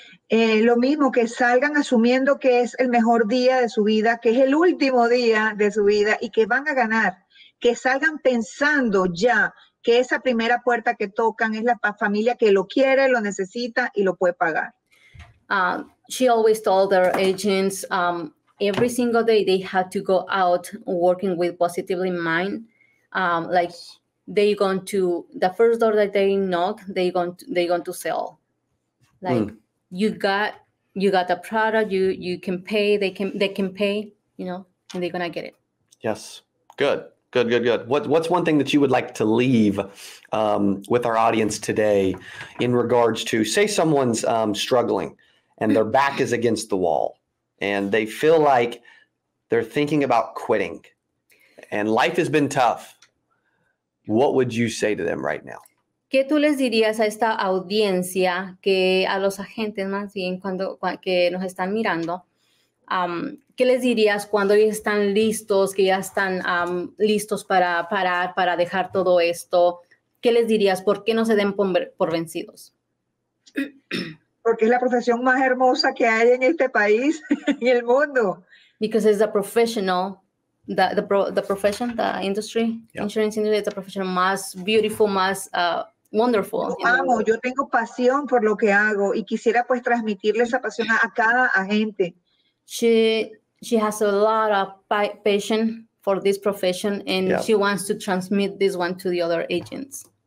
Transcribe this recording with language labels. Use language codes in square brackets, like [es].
[es] Lo mismo, que salgan asumiendo que es el mejor día de su vida, que es el último día de su vida y que van a ganar. Que salgan pensando ya que esa primera puerta que tocan es la familia que lo quiere, lo necesita y lo puede pagar. [en] She always told her agents every single day they had to go out working with positively mind. Like they going to the first door that they knock, they going to sell. Like you got the product, you can pay, they can pay, you know, and they're gonna get it. Yes. Good. What's one thing that you would like to leave with our audience today in regards to say someone's struggling? And their back is against the wall. And they feel like they're thinking about quitting. And life has been tough. What would you say to them right now? [es] ¿Qué tú les dirías a esta audiencia, que a los agentes más bien, cuando que nos están mirando, ¿Qué les dirías cuando ellos están listos, que ya están listos para parar, para dejar todo esto? ¿Qué les dirías? ¿Por qué no se den por vencidos? Porque es la profesión más hermosa que hay en este país y el mundo. [en] Because it's a professional, the profession, the industry, yeah. Insurance industry is a profession más beautiful, más wonderful. [es] Amo, yo tengo pasión por lo que hago y quisiera pues transmitirle esa pasión a cada agente. [en] She has a lot of passion for this profession, and yep. She wants to transmit this one to the other agents.